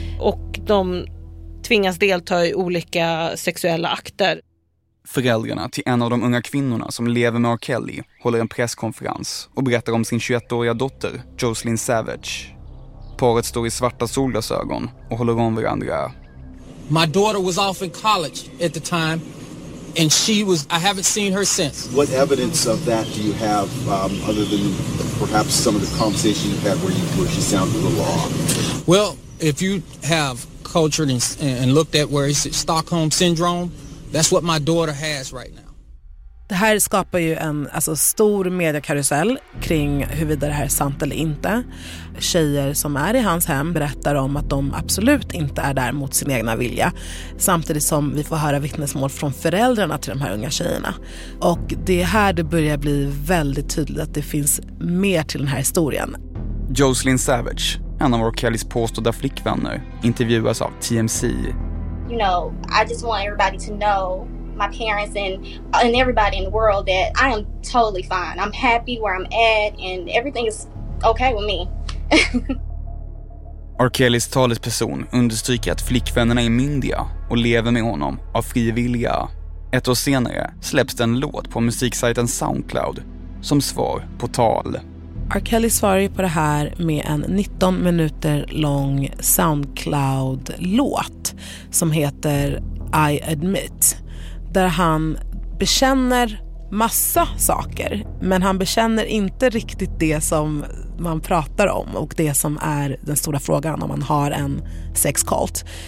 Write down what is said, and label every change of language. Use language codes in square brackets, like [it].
[sv] Och de tvingas delta i olika sexuella akter. Föräldrarna till en av de unga kvinnorna som lever med R. Kelly håller en presskonferens och berättar om sin 21-åriga dotter, Joycelyn Savage. Paret står i svarta solglasögon och håller om varandra. [en] My daughter was off in college at the time, and I haven't seen her since. What evidence of that do you have, other than perhaps some of the conversation you had where she sounded a little off? Well, if you have cultured and looked at where it's Stockholm syndrome, that's what my daughter has right now. [sv] Det här skapar ju en stor mediekarusell kring huruvida det här är sant eller inte. Tjejer som är i hans hem berättar om att de absolut inte är där mot sin egna vilja. Samtidigt som vi får höra vittnesmål från föräldrarna till de här unga tjejerna. Och det är här det börjar bli väldigt tydligt att det finns mer till den här historien. Joycelyn Savage, en av R. Kellys påstådda flickvänner, intervjuas av TMZ. [en] You know, I just want everybody to know my parents and everybody in the world that I am totally fine. I'm happy where I'm at and everything is okay with me. [sv] R. Kellys talesperson understryker att flickvännerna är myndiga och lever med honom av fri vilja. Ett år senare släpps en låt på musiksajten SoundCloud som svar på tal. R. Kelly svarar ju på det här med en 19 minuter lång SoundCloud-låt som heter I Admit, där han bekänner massa saker, men han bekänner inte riktigt det som man pratar om och det som är den stora frågan om man har en sexkult.